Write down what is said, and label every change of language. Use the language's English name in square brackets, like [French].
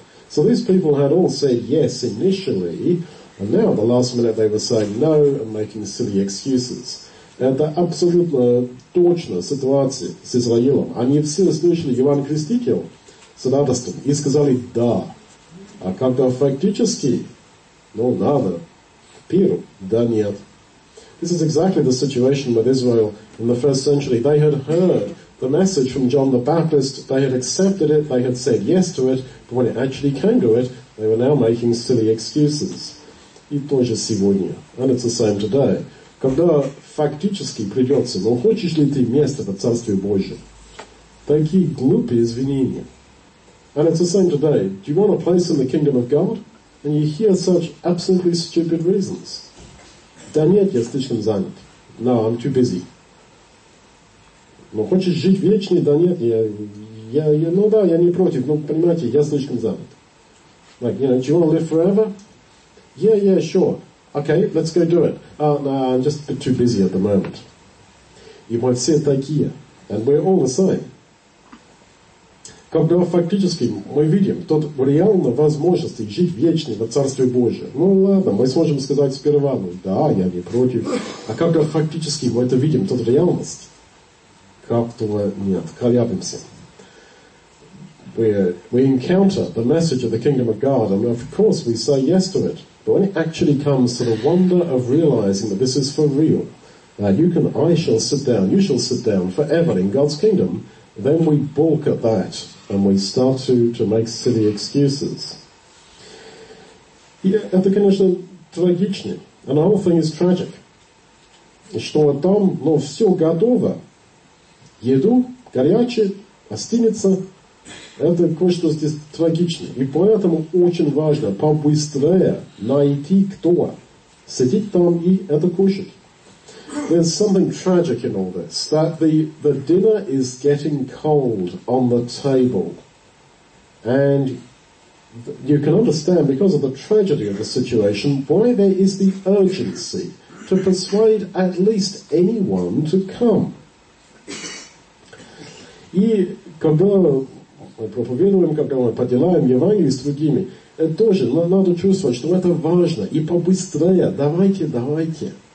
[English] So these people had all said «yes» initially, and now at the last minute they were saying «no» and making silly excuses. [Russian] Это абсолютно точная ситуация с Израилем. Они все слышали Иоанна Крестителя с радостью и сказали «да». А когда фактически, ну, надо, к пиру, да нет. [English] This is exactly the situation with Israel in the first century. They had heard the message from John the Baptist, they had accepted it, they had said yes to it, but when it actually came to it, they were now making silly excuses. [Russian] И тоже сегодня. [English] And it's the same today. [Russian] Когда фактически придется, но хочешь ли ты место в Царстве Божьем? Такие глупые извинения. [English] And it's the same today. Do you want a place in the kingdom of God? And you hear such absolutely stupid reasons. [Russian] Да нет, я слишком занят. [English] No, I'm too busy. [Russian] Но хочешь жить вечно? Да нет, я, ну да, я не против, но понимаете, я слишком занят. [English] Like, you know, do you want to live forever? Yeah, sure. Okay, let's go do it. No, I'm just a bit too busy at the moment. You might say такие, and we're all the same. [Russian] Когда фактически мы видим тот реально возможности жить вечно во Царстве Божьем. Ну ладно, мы сможем сказать сперва, ну да, я не против. А когда фактически мы это видим, тот реальность, как-то нет, колябимся. [English] We encounter the message of the kingdom of God, and of course we say yes to it. But when it actually comes to the wonder of realizing that this is for real, that you shall sit down forever in God's kingdom, then we balk at that, and we start to make silly excuses. [Russian] Это, конечно, трагично. [English] And the whole thing is tragic. [Russian] Что там, ну, все готово. Еду, горячее, остынется. Это кое-что здесь трагичное. И поэтому очень важно побыстрее найти кто. Сидеть там и это кушать. [English] There's something tragic in all this. That the dinner is getting cold on the table. And you can understand, because of the tragedy of the situation, why there is the urgency to persuade at least anyone to come. [Russian] И когда... Мы проповедуем, когда мы поделаем Евангелие с другими. Это тоже, надо чувствовать, что это важно. И побыстрее. Давайте.